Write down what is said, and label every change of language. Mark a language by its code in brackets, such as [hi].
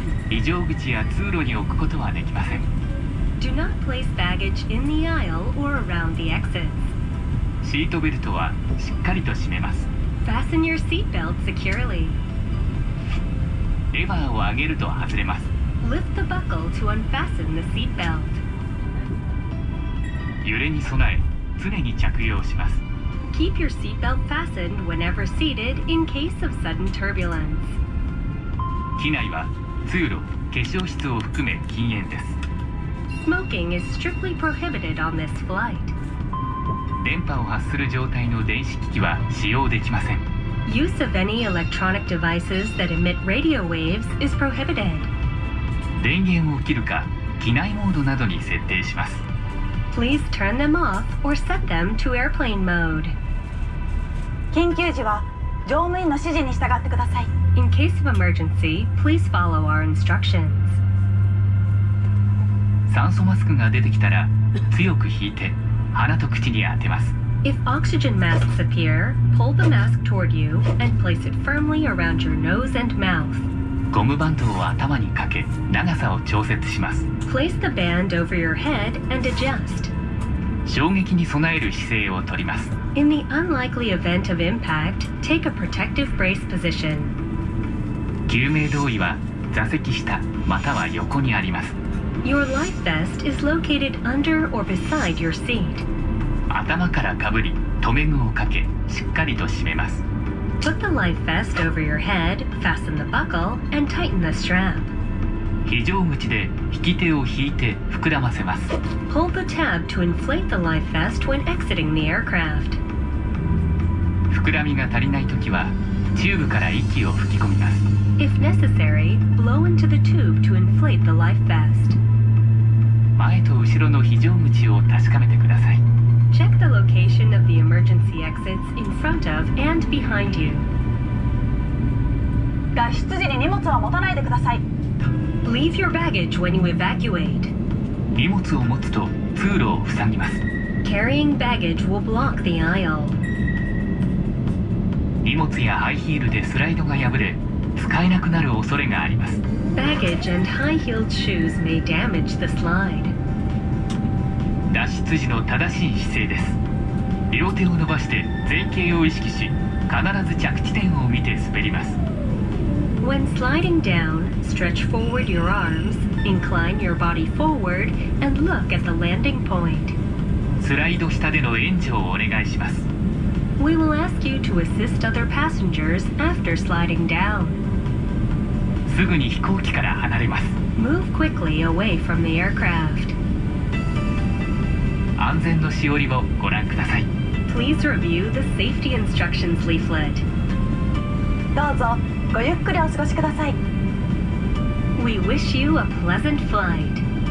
[ja] 非常口や通路に置くことはできません。 [en] Do not place baggage in the aisle or around the exits. [ja] シートベルトはしっかりと締めます。 [en] Fasten your seat belt securely. [ja] レバーを上げると外れます。 [en] Lift the buckle to unfasten the seat belt. [ja] 揺れに備え常に着用します。 [en] Keep your seat belt fastened whenever seated in case of sudden turbulence. [ja] 機内は通路、化粧室を含め禁煙です。 [en] Smoking is strictly prohibited on this flight. [ja] 電波を発する状態の電子機器は使用できません。 [en] Use of any electronic devices that emit radio waves is prohibited. [ja] 電源を切るか、機内モードなどに設定します。 [en] Please turn them off or set them to airplane mode. [ja] 緊急時は乗務員の指示に従ってください。 [en] In case of emergency, please follow our instructions. [ja] 酸素マスクが出てきたら、強く引いて鼻と口に当てます。 [en] If oxygen masks appear, pull the mask toward you and place it firmly around your nose and mouth. [ja] ゴムバンドを頭にかけ、長さを調節します。 [en] Place the band over your head and adjust. [ja] 衝撃に備える姿勢をとります。 [en] In the unlikely event of impact, take a protective brace position. [ja] 救命胴衣は座席下または横にあります。 [en] Your life vest is located under or beside your seat. [ja] 頭からかぶり留め具をかけしっかりと締めます。 [en] Put the life vest over your head, fasten the buckle, and tighten the strap. [ja] 非常口で引き手を引いて膨らませます。 [en] Pull the tab to inflate the life vest when exiting the aircraft. [ja] 膨らみが足りないときはチューブから息を吹き込みます。 [en] If necessary, blow into the tube to inflate the life vest. [ja] 前と後ろの非常口を確かめてください。 [en] Check the location of the emergency exits in front of and behind you. [ja] 脱出時に荷物は持たないでください。 [en] Leave your baggage when you evacuate. [ja] 荷物を持つと通路を塞ぎます。 [en] Carrying baggage will block the aisle. [ja] 荷物やハイヒールでスライドが破れ使えなくなる恐れがあります。 [en] Baggage and high-heeled shoes may damage the slide. [ja] 脱出時の正しい姿勢です。両手を伸ばして前傾を意識し必ず着地点を見て滑ります。 [en] When sliding down, stretch forward your arms, incline your body forward, and look at the landing point. [ja] スライド下での援助をお願いします。 [en] We will ask you to assist other passengers after sliding down. [ja] すぐに飛行機から離れます。 [en] Move quickly away from the aircraft. [ja] 安全のしおりをご覧ください。 [en] Please review the safety instructions leaflet. [ja] どうぞ、ごゆっくりお過ごしください。 [en] We wish you a pleasant flight.